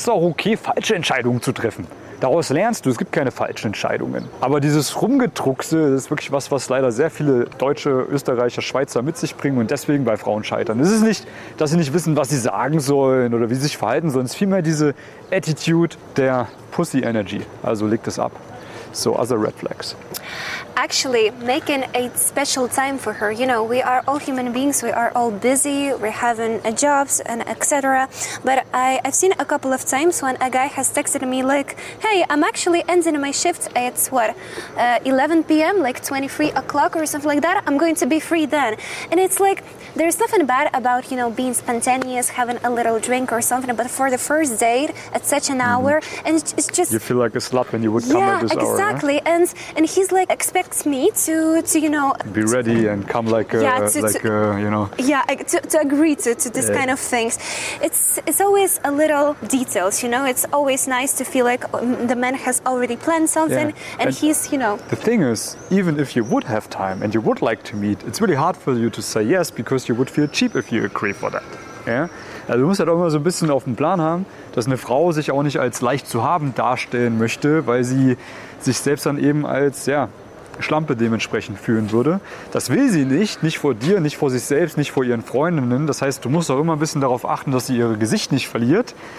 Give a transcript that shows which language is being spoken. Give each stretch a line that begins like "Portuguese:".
German: Es ist auch okay, falsche Entscheidungen zu treffen. Daraus lernst du, es gibt keine falschen Entscheidungen. Aber dieses Rumgedruckse, das ist wirklich was leider sehr viele Deutsche, Österreicher, Schweizer mit sich bringen und deswegen bei Frauen scheitern. Es ist nicht, dass sie nicht wissen, was sie sagen sollen oder wie sie sich verhalten sollen. Es ist vielmehr diese Attitude der Pussy-Energy. Also leg das ab. So,
English: other red flags. Actually, making a special time for her. You know, we are all human beings. We are all busy. We're having jobs and etc. But I've seen a couple of times when a guy has texted me like, hey, I'm actually ending my shift at, 11 p.m., like 23 o'clock or something like that. I'm going to be free then. And it's like, there's nothing bad about, you know, being spontaneous, having a little drink or something. But for the first date at such an hour, and it's just... You feel like a slut when you would come at this hour. Exactly. Right? And he's like, expects me to you know, be ready and come like, to agree to this kind of things. It's always a little details, you know, it's always nice to feel like the man has already planned something and he's, you know. The thing is, even if you would have time and you would like to meet, it's really hard for you to say yes, because you would feel cheap if you agree for that. Yeah?
German: Also du musst halt auch immer so ein bisschen auf dem Plan haben, dass eine Frau sich auch nicht als leicht zu haben darstellen möchte, weil sie sich selbst dann eben als Schlampe dementsprechend fühlen würde. Das will sie nicht, nicht vor dir, nicht vor sich selbst, nicht vor ihren Freundinnen. Das heißt, du musst auch immer ein bisschen darauf achten, dass sie ihr Gesicht nicht verliert.